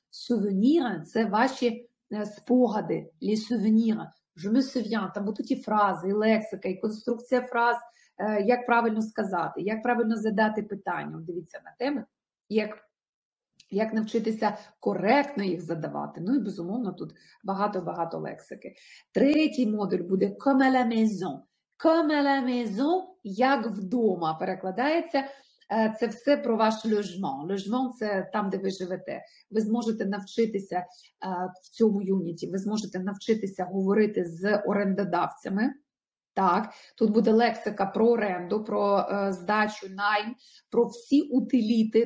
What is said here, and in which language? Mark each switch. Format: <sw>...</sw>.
<uk>Сувеніри – це ваші спогади, лі сувеніри.</uk> <fr>«Je me souviens»,</fr> <uk>там будуть і фрази, і лексика, і конструкція фраз, як правильно сказати, як правильно задати питання. Дивіться на теми, як навчитися коректно їх задавати. Ну і безумовно, тут багато-багато лексики. Третій модуль буде</uk> <fr>«Comme à la maison».</fr> <uk>«Comme à la maison» – «Як вдома» перекладається. Це все про ваш logement. Logement – це там, де ви живете. Ви зможете навчитися в цьому юніті, ви зможете навчитися говорити з орендодавцями. Так, тут буде лексика про оренду, про здачу, найм, про всі утиліти.</uk>